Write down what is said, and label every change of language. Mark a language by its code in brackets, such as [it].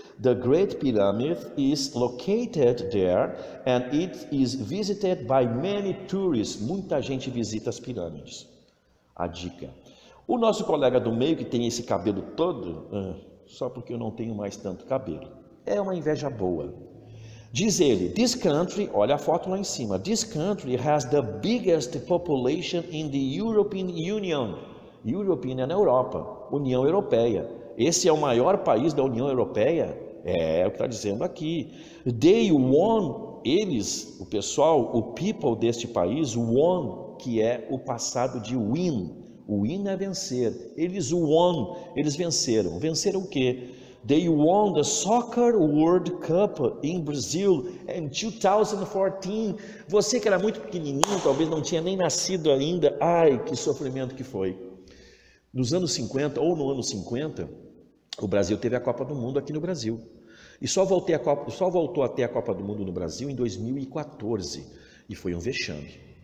[en] The Great Pyramid is located there and it is visited by many tourists. [pt] Muita gente visita as pirâmides. A dica. O nosso colega do meio, que tem esse cabelo todo, só porque eu não tenho mais tanto cabelo, é uma inveja boa. Diz ele, [en] this country, [pt] olha a foto lá em cima, [en] this country has the biggest population in the European Union. [pt] European é na Europa, União Europeia. Esse é o maior país da União Europeia? É o que está dizendo aqui. [en] They won, [pt] eles, o pessoal, o people deste país, won, que é o passado de win. Win é vencer. Eles won, eles venceram. Venceram o quê? [en] They won the Soccer World Cup in Brazil in 2014. [pt] Você que era muito pequenininho, talvez não tinha nem nascido ainda. Ai, que sofrimento que foi. Nos anos 50 ou no ano 50, o Brasil teve a Copa do Mundo aqui no Brasil. E só voltou a ter a Copa do Mundo no Brasil em 2014. E foi um vexame.